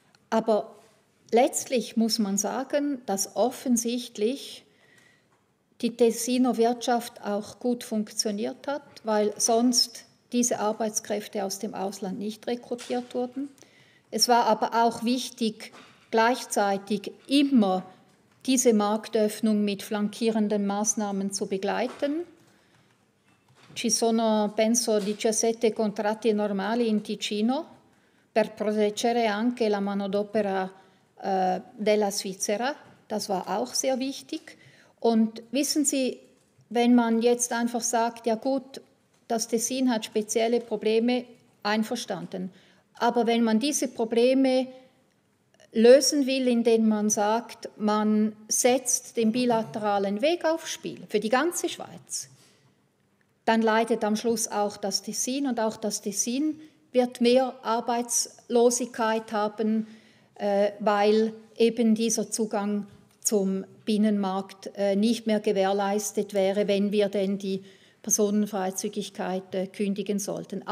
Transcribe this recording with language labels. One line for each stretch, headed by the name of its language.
German: Aber letztlich muss man sagen, dass offensichtlich die Tessiner Wirtschaft auch gut funktioniert hat, weil sonst diese Arbeitskräfte aus dem Ausland nicht rekrutiert wurden. Es war aber auch wichtig, gleichzeitig immer diese Marktöffnung mit flankierenden Maßnahmen zu begleiten.
Italian: Ci sono, penso, 17 contratti normali in Ticino per proteggere anche la manodopera della Svizzera.
German: Das war auch sehr wichtig. Und wissen Sie, wenn man jetzt einfach sagt, ja gut, das Tessin hat spezielle Probleme, einverstanden. Aber wenn man diese Probleme lösen will, indem man sagt, man setzt den bilateralen Weg aufs Spiel für die ganze Schweiz, dann leidet am Schluss auch das Tessin und auch das Tessin wird mehr Arbeitslosigkeit haben, weil eben dieser Zugang zum Binnenmarkt nicht mehr gewährleistet wäre, wenn wir denn die Personenfreizügigkeit kündigen sollten.